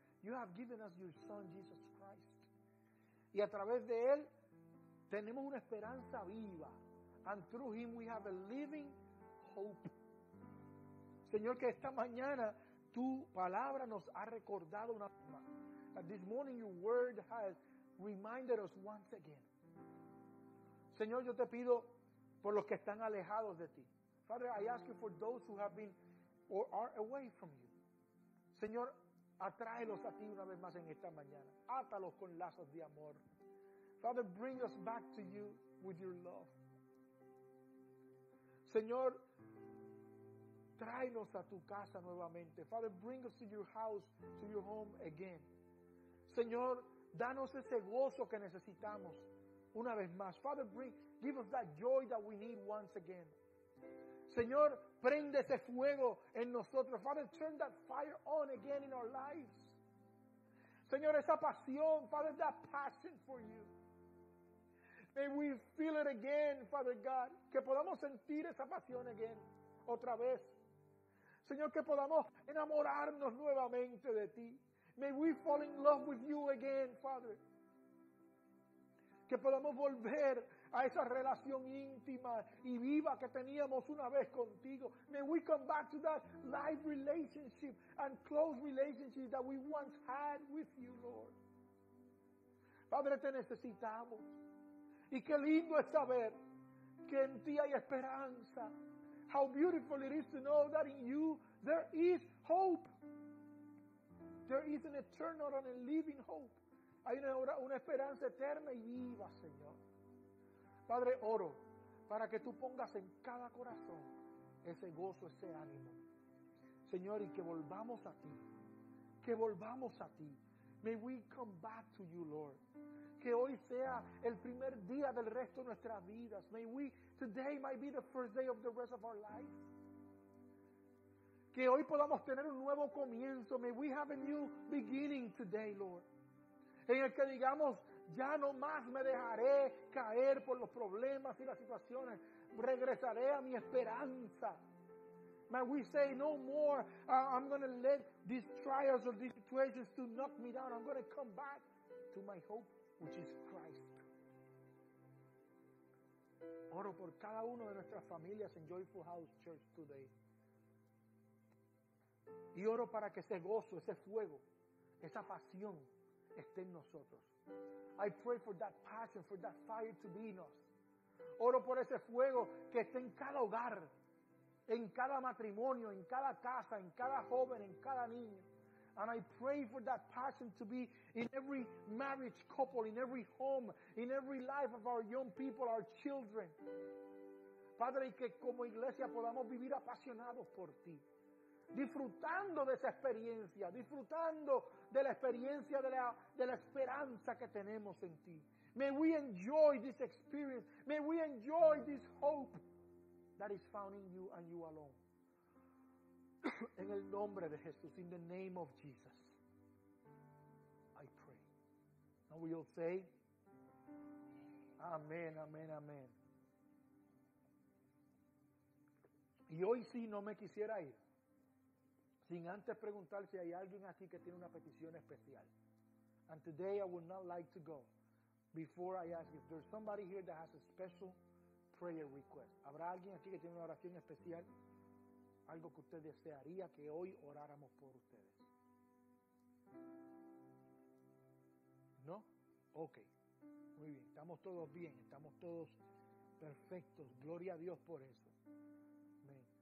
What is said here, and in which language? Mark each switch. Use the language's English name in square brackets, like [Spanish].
[English] You have given us your Son, Jesus Christ. [Spanish] Y a través de Él, tenemos una esperanza viva. [English] And through Him, we have a living hope. [Spanish] Señor, que esta mañana tu palabra nos ha recordado una vez más. [English] That this morning your word has reminded us once again. [Spanish] Señor, yo te pido por los que están alejados de ti. [English] Father, I ask you for those who have been or are away from you. [Spanish] Señor, atráelos a ti una vez más en esta mañana. Átalos con lazos de amor. [English] Father, bring us back to you with your love. [Spanish] Señor, tráenos a tu casa nuevamente. [English] Father, bring us to your house, to your home again. [Spanish] Señor, danos ese gozo que necesitamos una vez más. [English] Father, give us that joy that we need once again. [Spanish] Señor, prende ese fuego en nosotros. [English] Father, turn that fire on again in our lives. [Spanish] Señor, esa pasión, [English] Father, that passion for you. May we feel it again, Father God. [Spanish] Que podamos sentir esa pasión [English] again, [Spanish] otra vez. Señor, que podamos enamorarnos nuevamente de ti. [English] May we fall in love with you again, Father. [Spanish] Que podamos volver a esa relación íntima y viva que teníamos una vez contigo. [English] May we come back to that live relationship and close relationship that we once had with you, Lord. [Spanish] Padre, te necesitamos. Y qué lindo es saber que en ti hay esperanza. [English] How beautiful it is to know that in you there is hope. There is an eternal and a living hope. [Spanish] Hay una esperanza eterna y viva, Señor. Padre, oro para que tú pongas en cada corazón ese gozo, ese ánimo. Señor, y que volvamos a ti. Que volvamos a ti. [English] May we come back to you, Lord. [Spanish] Que hoy sea el primer día del resto de nuestras vidas. [English] May we, today might be the first day of the rest of our life. [Spanish] Que hoy podamos tener un nuevo comienzo. [English] May we have a new beginning today, Lord. [Spanish] En el que digamos, ya no más me dejaré caer por los problemas y las situaciones. Regresaré a mi esperanza. [English] May we say, no more, I'm going to let these trials or these situations to knock me down. I'm going to come back to my hope, which is Christ. [Spanish] Oro por cada uno de nuestras familias en Joyful House Church [English] today. [Spanish] Y oro para que ese gozo, ese fuego, esa pasión esté en nosotros. [English] I pray for that passion, for that fire to be in us. [Spanish] Oro por ese fuego que esté en cada hogar, en cada matrimonio, en cada casa, en cada joven, en cada niño. [English] And I pray for that passion to be in every marriage couple, in every home, in every life of our young people, our children. [Spanish] Padre, y que como iglesia podamos vivir apasionados por ti. Disfrutando de esa experiencia, disfrutando de la experiencia de la esperanza que tenemos en ti. [English] May we enjoy this experience. May we enjoy this hope that is found in you and you alone. [Spanish] En el nombre de Jesús, [English] in the name of Jesus, I pray. Now we all say, amen, amen, amen. [Spanish] Y hoy sí no me quisiera ir. sin antes preguntar si hay alguien aquí que tiene una petición especial. [English] And today I would not like to go before I ask if there's somebody here that has a special prayer request. [Spanish] ¿Habrá alguien aquí que tiene una oración especial? Algo que usted desearía que hoy oráramos por ustedes. ¿No? Ok. Muy bien. Estamos todos bien. Estamos todos perfectos. Gloria a Dios por eso. Amén.